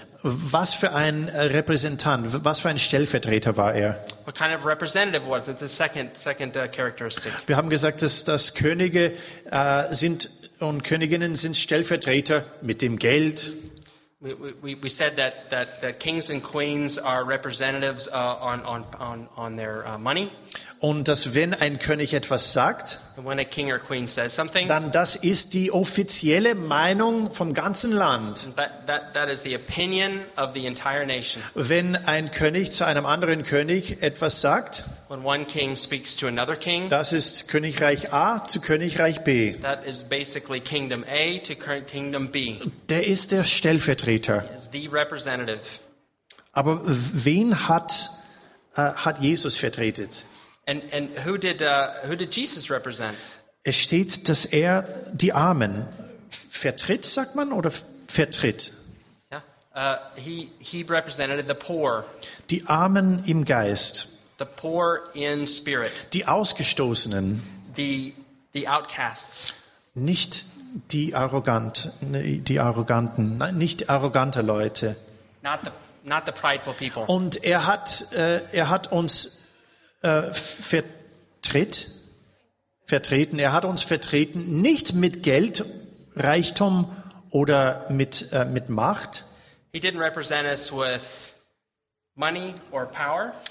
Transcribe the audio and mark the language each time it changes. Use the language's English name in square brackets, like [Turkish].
[German] Was für ein Repräsentant, was für ein Stellvertreter war er? [English] What kind of representative was it? The second characteristic. [German] Wir haben gesagt, dass Könige sind und Königinnen sind Stellvertreter mit dem Geld. [English] We said that kings and queens are representatives on their money. [German] Und dass wenn ein König etwas sagt, [English] when a king or queen says something, [German] dann das ist die offizielle Meinung vom ganzen Land. [English] That is the opinion of the entire nation. [German] Wenn ein König zu einem anderen König etwas sagt, [English] when one king speaks to another king, [German] das ist Königreich A zu Königreich B. [English] That is basically kingdom A to kingdom B. [German] Der ist der Stellvertreter. [English] He is the representative. [German] Aber wen hat Jesus vertreten? [English] And who did Jesus represent? [German] Es steht, dass er die Armen vertritt, sagt man, oder vertritt? [English] Yeah. He represented the poor. [German] Die Armen im Geist. [English] The poor in spirit. [German] Die Ausgestoßenen. [English] The outcasts. [German] Nicht die Arroganten, nicht arrogante Leute. [English] Not the prideful people. [German] Und er hat uns vertreten. Er hat uns vertreten, nicht mit Geld, Reichtum oder mit Macht. [English] He didn't represent us with money or power,